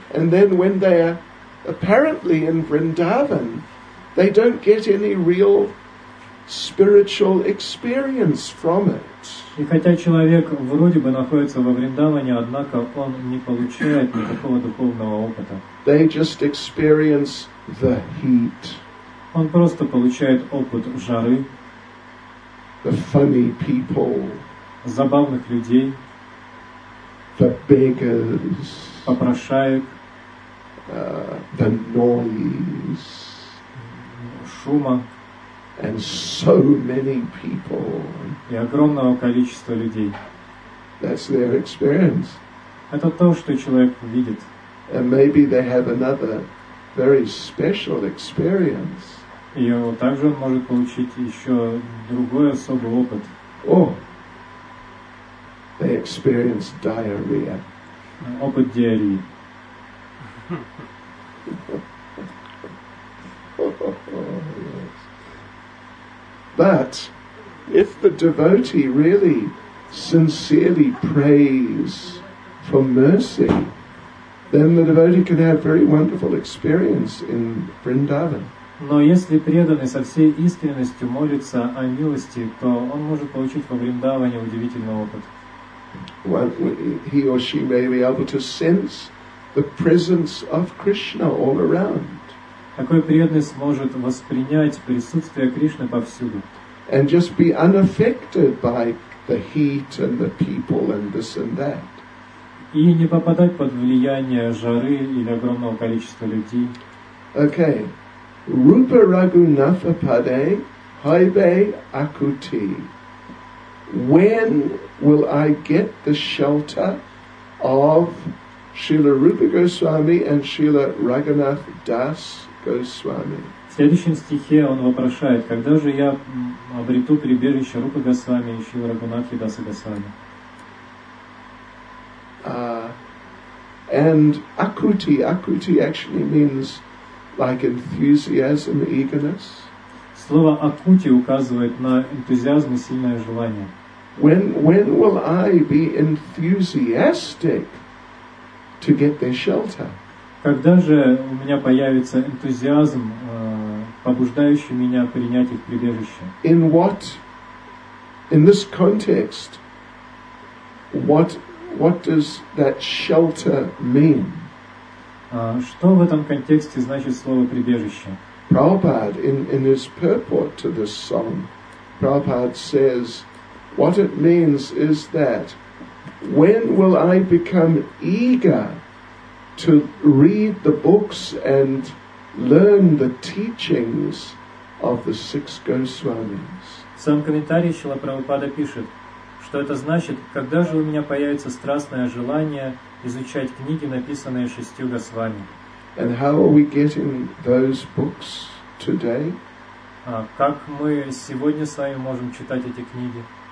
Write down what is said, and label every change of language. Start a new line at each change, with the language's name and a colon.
English: And then when they are apparently in Vrindavan, they don't get any real spiritual experience from it.
Russian: И хотя человек вроде бы находится во Вриндаване, однако он не получает никакого духовного опыта.
English: They just experience the heat.
Russian: Он просто получает опыт жары.
English: The funny people.
Russian: Забавных людей.
English: The beggars.
Russian: Попрошаек.
English: The noise,
Russian: шума,
English: and so many people,
Russian: и огромного количества людей.
English: That's their experience.
Russian: Это то, что человек видит.
English: And maybe they have another very special experience.
Russian: И также он может получить еще другой особый опыт.
English: Oh, they experience diarrhea.
Russian: Опыт диареи.
English: But if the devotee really sincerely prays for mercy, then the devotee can have very wonderful experience in Vrindavan.
Russian: Но если преданный со всей искренностью молится о милости, то он может получить во Вриндаване удивительный опыт.
English: He or she may be able to sense the presence of Krishna all around.
Russian: Такой преданный сможет воспринять присутствие Кришны повсюду.
English: And just be unaffected by the heat and the people and this and that.
Russian: И не попадать под влияние жары или огромного количества людей.
English: Okay.
Bangla: Rupa Raghunathapade Haibe Akuti.
English: When will I get the shelter of Srila Rupa Goswami and Srila Raghunath Das Goswami?
Russian: В следующем стихе он вопрошает, когда же я обрету прибежище Рупа Госвами и Шрила Рагунатхи Даса Госвами?
English: And akuti actually means like enthusiasm, eagerness.
Russian: Слово акути указывает на энтузиазм и сильное желание.
English: When will I be enthusiastic to get their shelter?
Russian: Когда же у меня появится энтузиазм, побуждающий меня принять их прибежище?
English: In what, in this context, what does that shelter mean?
Russian: Что в этом контексте значит слово прибежище?
English: Prabhupada, in his purport to this song, Prabhupada says, what it means is that, when will I become eager to read the books and learn the teachings of the six Goswamis?
Russian: Сам комментарий Шрила Прабхупада пишет, что это значит, когда же у меня появится страстное желание изучать книги, написанные шестью Госвами.
English: And how are we getting those books today?
Russian: Как мы сегодня с вами можем читать эти книги?